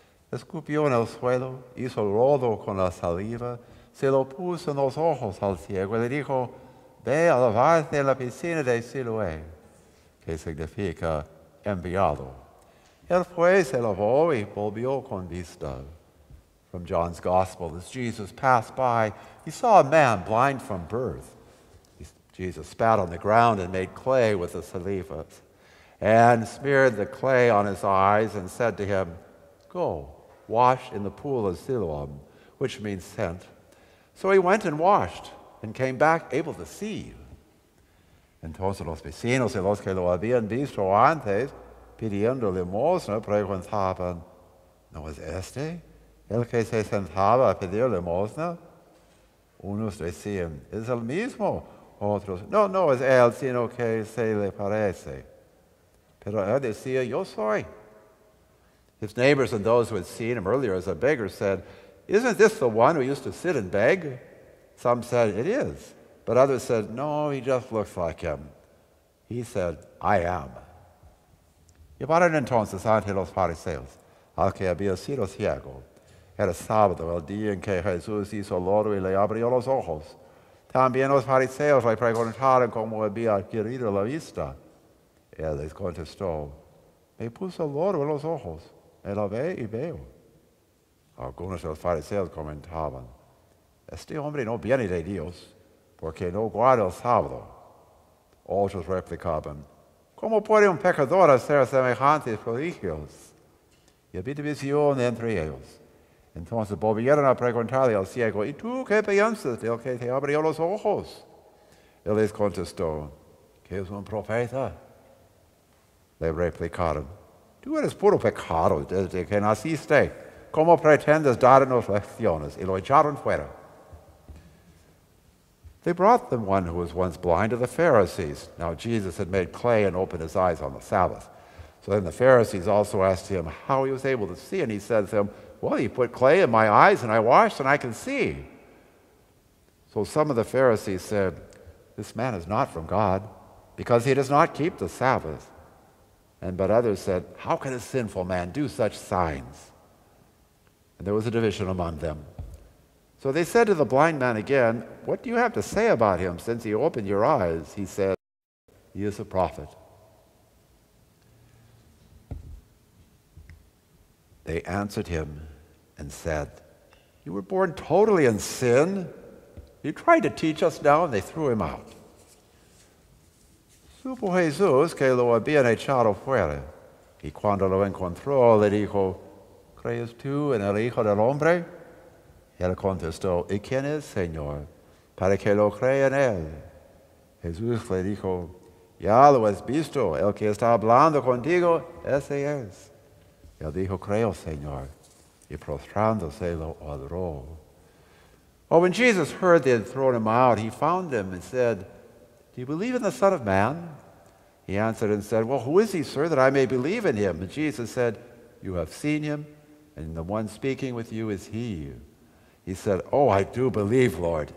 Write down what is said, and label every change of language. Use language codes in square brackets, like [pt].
[es] Escupió en el suelo, hizo lodo con la saliva, se lo puso en los ojos al ciego y le dijo, ve a lavarte en la piscina de Siloé, que significa enviado. Él fue, se lavó y volvió con vista. [en] From John's Gospel, as Jesus passed by, he saw a man blind from birth. Jesus spat on the ground and made clay with the saliva and smeared the clay on his eyes and said to him, go, wash in the pool of Siloam, which means sent. So he went and washed and came back able to see. [es] Entonces los vecinos y los que lo habían visto antes, pidiendo limosna, preguntaban, ¿no es este el que se sentaba a pedir limosna? Unos decían, es el mismo. Otros, no, no es él, sino que se le parece. Pero él decía, yo soy. [en] His neighbors and those who had seen him earlier as a beggar said, isn't this the one who used to sit and beg? Some said, it is. But others said, no, he just looks like him. He said, I am. [es] Llevaron entonces ante los fariseos al que había sido ciego. Era sábado, el día en que Jesús hizo lodo y le abrió los ojos. También los fariseos le preguntaron cómo había adquirido la vista. Él les contestó, me puso lodo en los ojos, me lavé y veo. Algunos de los fariseos comentaban, este hombre no viene de Dios, porque no guarda el sábado. Otros replicaban, ¿cómo puede un pecador hacer semejantes prodigios? Y había división entre ellos. Entonces volvieron a preguntarle al ciego, ¿y tú qué piensas del que te abrió los ojos? Él les contestó, ¿qué es un profeta? Le replicaron, tú eres puro pecado desde que naciste. ¿Cómo pretendes darnos lecciones? Y lo echaron fuera. [en] They brought them one who was once blind to the Pharisees. Now Jesus had made clay and opened his eyes on the Sabbath. So then the Pharisees also asked him how he was able to see, and he said to them, well, he put clay in my eyes, and I washed, and I can see. So some of the Pharisees said, this man is not from God, because he does not keep the Sabbath. But others said, how can a sinful man do such signs? And there was a division among them. So they said to the blind man again, what do you have to say about him since he opened your eyes? He said, he is a prophet. They answered him and said, you were born totally in sin. You tried to teach us now, and they threw him out. [es] Supo Jesús que lo habían echado fuera. Y cuando lo encontró, le dijo, ¿crees tú en el Hijo del Hombre? Él contestó, ¿y quién es, Señor, para que lo crea en él? Jesús le dijo, ya lo has visto, el que está hablando contigo, ese es. Él dijo, creo, Señor, y prostrándose lo adoró. [en] Well, when Jesus heard they had thrown him out, he found them and said, do you believe in the Son of Man? He answered and said, well, who is he, sir, that I may believe in him? And Jesus said, you have seen him, and the one speaking with you is he. He said, oh, I do believe, Lord.